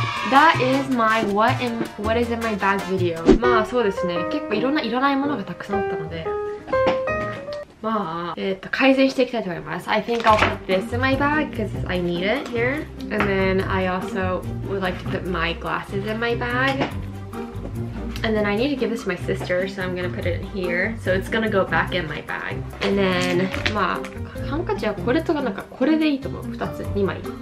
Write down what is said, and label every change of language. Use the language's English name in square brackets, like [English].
[English] That is my what is in my bag video. [Japanese] まあそうですね。結構いらないものがたくさんあったので。まあ、改善していきたいと思います。 [English] I think I'll put this in my bag because I need it here. And then I also would like to put my glasses in my bag. And then I need to give this to my sister, so I'm gonna put it in here. So it's gonna go back in my bag. And then, [Japanese] まあ、ハンカチはこれとかなんかこれでいいと思う。2つ、2枚。